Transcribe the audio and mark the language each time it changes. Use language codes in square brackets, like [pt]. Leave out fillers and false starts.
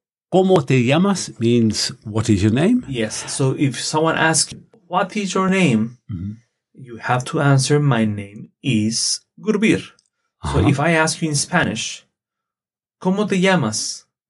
[es] ¿Cómo te llamas [en] means what is your name? Yes. So if someone asks what is your name, you have to answer my name is Gurbir. So if I ask you in Spanish, [es] ¿cómo te llamas?